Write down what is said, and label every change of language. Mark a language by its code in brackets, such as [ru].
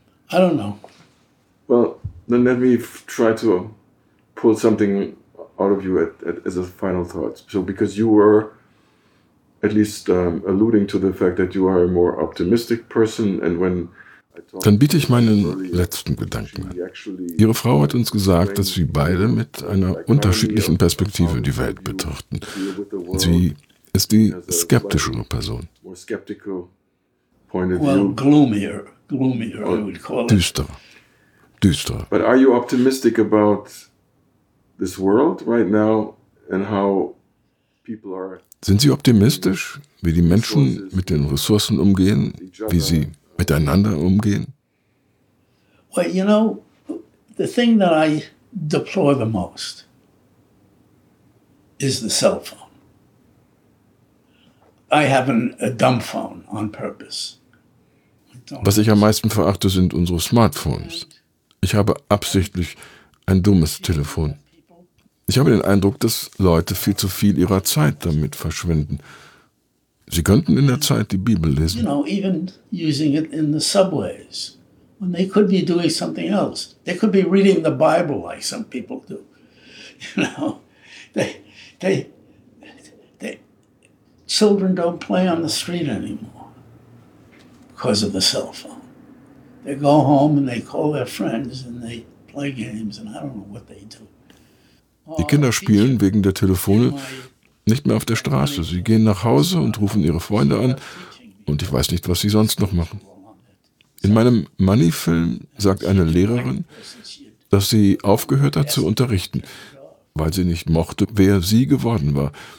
[en] I don't know. Well, then let me try to pull something out of you as a final thought. So, because you were at least alluding to the fact that you are a more optimistic person, and when I talk. [de] Dann biete ich meinen letzten Gedanken an. Ihre Frau hat uns gesagt, dass Sie beide mit einer unterschiedlichen Perspektive die Welt betrachten. Sie ist die skeptischere Person. [en] More skeptical point of view. Well, gloomier, I would call it. [de] Düster. [en] But are you optimistic about this world right now and how people are. [de] Sind Sie optimistisch, wie die Menschen mit den Ressourcen umgehen, wie sie miteinander umgehen? [en] Well, you know, the thing that I deplore the most is the cell phone. I have a dumb phone on purpose. [de] Was ich am meisten verachte, sind unsere Smartphones. Ich habe absichtlich ein dummes Telefon. Ich habe den Eindruck, dass Leute viel zu viel ihrer Zeit damit verschwenden. Sie könnten in der Zeit die Bibel lesen. [en] You know, even using it in the subways, when they could be doing something else. They could be reading the Bible like some people do. You know, they children don't play on the street anymore. Because of the cell phone. They go home and they call their friends and they play games and I don't know what they do. [de] Die Kinder spielen wegen der Telefone nicht mehr auf der Straße. Sie gehen nach Hause und rufen ihre Freunde an und ich weiß nicht, was sie sonst noch machen. In meinem Money-Film sagt eine Lehrerin, dass sie aufgehört hat zu unterrichten, weil sie nicht mochte, wer sie geworden war.